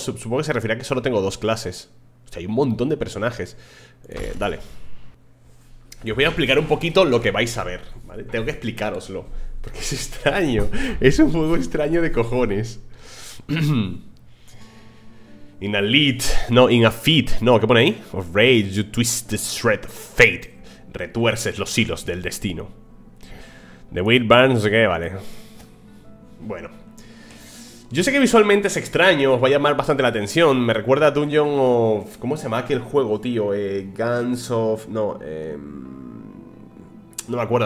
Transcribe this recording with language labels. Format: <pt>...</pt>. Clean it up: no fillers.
<es>Supongo que se refiere a que solo tengo dos clases. O sea, hay un montón de personajes. Dale. Y os voy a explicar un poquito lo que vais a ver, ¿vale? Tengo que explicároslo. Porque es extraño. Es un juego extraño de cojones.</es> <en>In a lead. No, in a feat.</en> <es>No, ¿qué pone ahí?</es> <en>Of rage, you twist the thread of fate.</en> <es>Retuerces los hilos del destino.</es> <en>The wind burns,</en> <es>¿qué? Okay, vale. Bueno. Yo sé que visualmente es extraño, os va a llamar bastante la atención. Me recuerda a Dungeon of... ¿Cómo se llama aquel juego, tío? Guns of... No, no me acuerdo.</es>